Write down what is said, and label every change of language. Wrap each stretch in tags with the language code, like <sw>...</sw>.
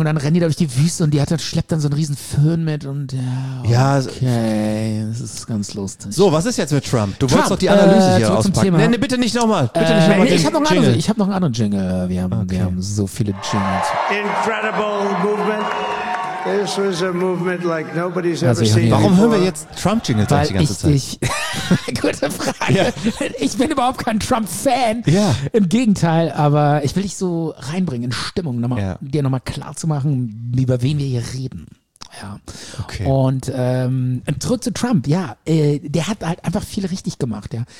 <de>Und dann rennt die da durch die Wüste und schleppt dann so einen riesen Föhn mit und ja. Okay. Ja, das ist ganz lustig. So, was ist jetzt mit Trump? Du wolltest doch die Analyse hier auspacken. Nenne bitte nicht nochmal. Ich hab noch einen anderen Jingle. Wir haben so viele Jingles.</de> <en>Incredible movement. This was a movement like nobody's ever seen.</en> <de>Warum hören wir jetzt Trump-Jingles die ganze Zeit? Gute Frage. Ja. Ich bin überhaupt kein Trump-Fan. Ja. Im Gegenteil, aber ich will dich so reinbringen in Stimmung, nochmal, dir nochmal klar zu machen, über wen wir hier reden. Ja. Okay. Und zurück zu Trump, ja, der hat halt einfach viel richtig gemacht, ja.</de>